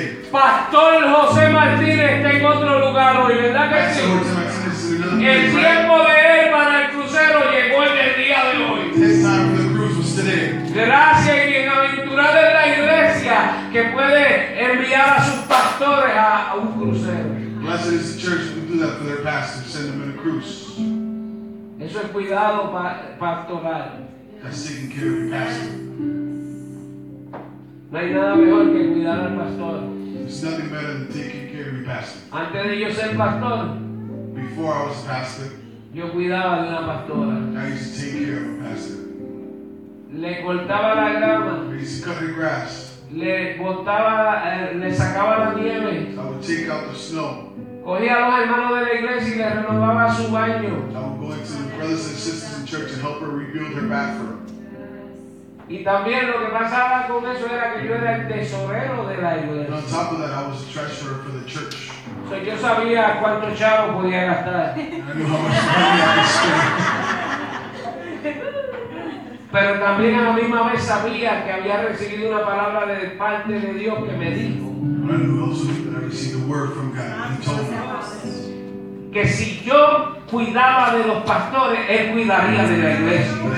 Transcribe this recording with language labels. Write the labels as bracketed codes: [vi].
[es] Pastor José Martínez está en otro lugar hoy, ¿verdad que sí? El tiempo de él para el crucero llegó en el día de hoy. Gracias y bienaventurada es la iglesia que puede enviar a sus pastores a un crucero. [en] Blessed is the church who can do that for their pastors, send them on a cruise. [es] Eso es cuidado pastoral. [en] That's taking care of your pastor. [es] No hay nada mejor que cuidar al pastor. [en] There's nothing better than taking care of your pastor. [es] Antes de yo ser pastor, [en] before I was a pastor, [es] yo cuidaba de una pastora. [en] I used to take care of a pastor. [es] Le cortaba la grama. [en] I used to cut the grass. [es] Le sacaba la nieve. [en] I would take out the snow. [es] Cogía a los hermanos de la iglesia y le renovaba su baño. [en] I would go into the brothers and sisters in church and help her rebuild her bathroom. [es] Y también lo que pasaba con eso era que yo era el tesorero de la iglesia. [en] And on top of that, I was a treasurer for the church. [es] So yo sabía cuánto chavo podía gastar. [en] And I knew how much money I could spend. [es] Pero también a la misma vez sabía que había recibido una palabra de parte de Dios que me dijo. [en] I knew also that I received a word from God. He told me. [es] Que si yo cuidaba de los pastores, él cuidaría de la iglesia.